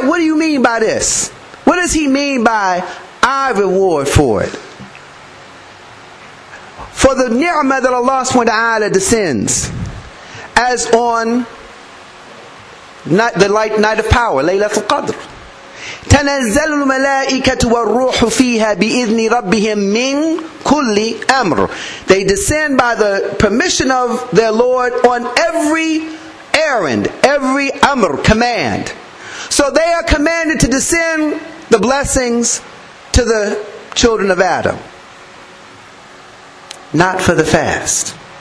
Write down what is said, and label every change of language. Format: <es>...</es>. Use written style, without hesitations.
<en>What do you mean by this? What does he mean by I reward for it? For the ni'mah that Allah subhanahu wa ta'ala descends, as on the light night of power, Laylatul Qadr.</en> <ar>تنزل الملائكة والروح فيها بإذن ربهم من كل أمر.</ar> <en>They descend by the permission of their Lord on every errand, every amr, command. So they are commanded to descend the blessings to the children of Adam. Not for the fast.</en>